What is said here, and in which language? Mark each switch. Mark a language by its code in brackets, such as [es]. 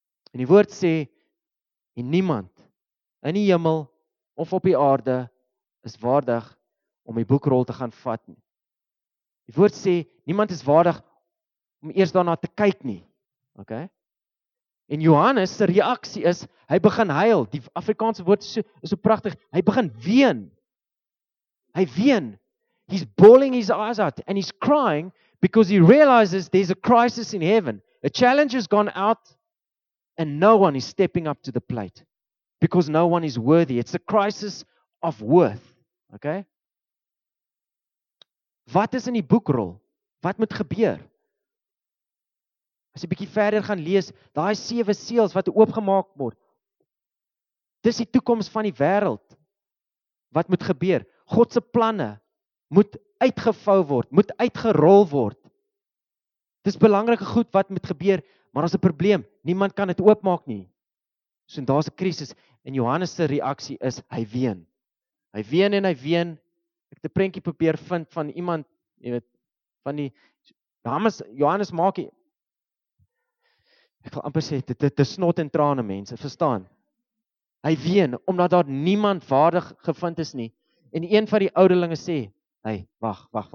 [af] En die woord sê, en niemand in die hemel of op die aarde is waardig om die boekrol te gaan vat nie. Die woord sê, niemand is waardig om eers daarna te kyk nie. Okay? En Johannes se reaksie is, hy begin huil. Die Afrikaanse woord is so pragtig. Hy begin ween. Hy ween. [en] He's bawling his eyes out and he's crying because he realizes there's a crisis in heaven. A challenge has gone out and no one is stepping up to the plate because no one is worthy. It's a crisis of worth. Okay? [af] Wat is in die boekrol? Wat moet gebeur? As jy 'n bietjie verder gaan lees, daai 7 seels wat oopgemaak word. Dis die toekoms van die wêreld. Wat moet gebeur? God se planne moet uitgevou word, moet uitgerol word. Dis belangrike goed wat moet gebeur, maar daar's 'n probleem. Niemand kan dit oopmaak nie. So daar's 'n krisis en Johannes se reaksie is hy ween. Hy ween en hy ween. Ek het 'n prentjie probeer vind van iemand, jy weet, van die dames Johannes maak hy. Ek wil amper sê dit is snot en trane mense, verstaan? Hy ween omdat daar niemand waardig gevind is nie. En een van die ouderlinge sê, hey, wag.